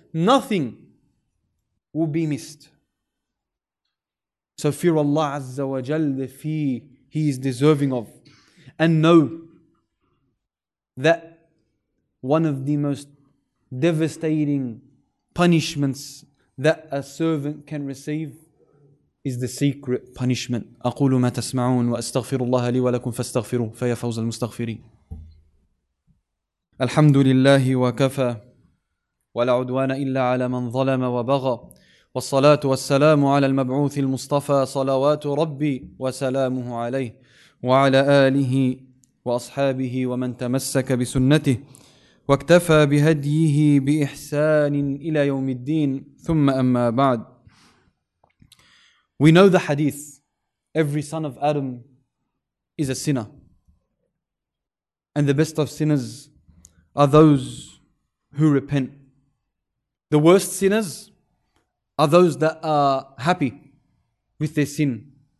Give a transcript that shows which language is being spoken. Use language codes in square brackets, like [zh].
[en] Nothing will be missed. So fear Allah Azza wa Jal, the fear He is deserving of. And know that one of the most devastating punishments that a servant can receive is the secret punishment. [ar] أقول ما تسمعون وأستغفر الله لي ولكم فاستغفروا فيا فوز المستغفرين. الحمد لله وكفى ولا عدوان إلا على من ظلم وبغى والصلاة والسلام على المبعوث المصطفى صلوات ربي وسلامه عليه وعلى آله وأصحابه ومن تمسك بسنته واكتفى بهديه بإحسان إلى يوم الدين ثم أما بعد. [en] We know the hadith, every son of Adam is a sinner. And the best of sinners are those who repent. The worst sinners are those that are happy with their sin.